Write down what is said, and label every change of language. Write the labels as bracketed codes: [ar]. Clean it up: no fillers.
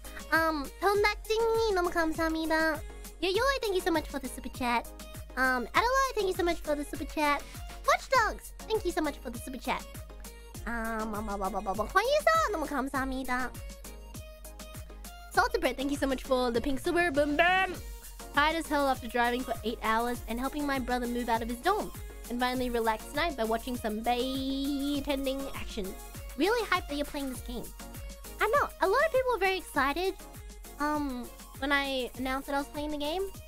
[ko] 통닭증이 너무 감사합니다. [en] Yoyoi, thank you so much for the super chat. Adelaide, thank you so much for the super chat. Watchdogs, thank you so much for the super chat. [ko] 환희사, 너무 감사합니다. [en] Saltybread, thank you so much for the pink super. Boom, boom. Tired as hell after driving for 8 hours and helping my brother move out of his dorm. And finally relaxed tonight by watching some bae-tending action. Really hyped that you're playing this game. I know, a lot of people were very excited when I announced that I was playing the game.